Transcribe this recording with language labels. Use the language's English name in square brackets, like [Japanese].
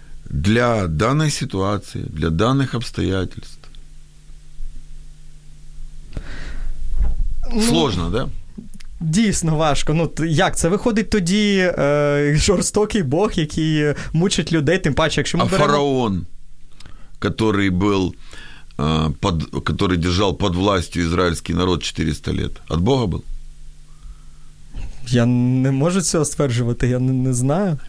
[Ukrainian] Для даної ситуації, для даних обстоятельств. [Russian] Сложно, да? [Ukrainian] Дійсно важко. Ну, як це виходить тоді жорстокий Бог, який мучить людей, тим паче, якщо ми беремо... [Russian] фараон, который был под, который держал под властью израильский народ 400 лет, от Бога был? [Ukrainian] Я не можу цього стверджувати, я не знаю.